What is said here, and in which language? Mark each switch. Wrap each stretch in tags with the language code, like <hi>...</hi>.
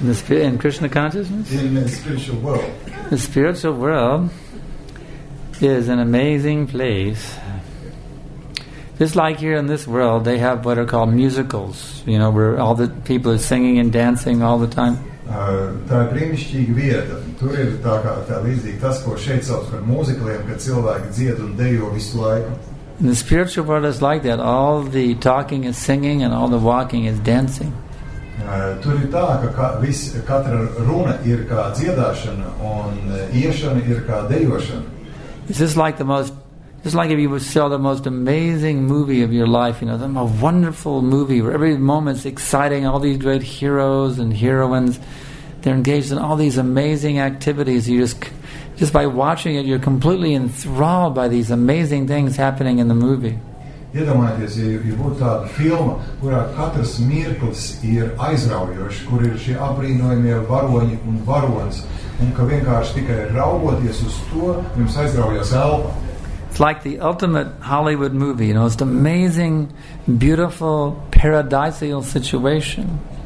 <en>In Krishna consciousness? In the spiritual world. The spiritual world, is an amazing place. Just like here in this world, they have what are called musicals, you know, where all the people are singing and dancing all the time.</en> <lv>Tā ir brīnišķīga vieta. Tur ir tā kā tā līdzīga tas, ko šeit sauc par mūzikliem, kad cilvēki dzied un dejo visu laiku.</lv> <en>In the spiritual world is like that. All the talking is singing and all the walking is dancing.</en> <lv>Tur ir tā, ka katra runa ir kā dziedāšana un iešana ir kā dejošana.</lv> <en>It's just like the most It's like if you would sell the most amazing movie of your life, you know, the most wonderful movie where every moment's exciting, all these great heroes and heroines, they're engaged in all these amazing activities. You just by watching it, you're completely enthralled by these amazing things happening in the movie.</en> <lv>Iedomājieties, ja būtu tāda filma, kurā katrs mirklis ir aizraujošs, kur ir šie apbrīnojamie varoņi un varones, un ka vienkārši tikai raugoties uz to, jums aizraujas elpa.</lv> <en>It's like the ultimate Hollywood movie, you know, it's an amazing, beautiful, paradisial situation.</en>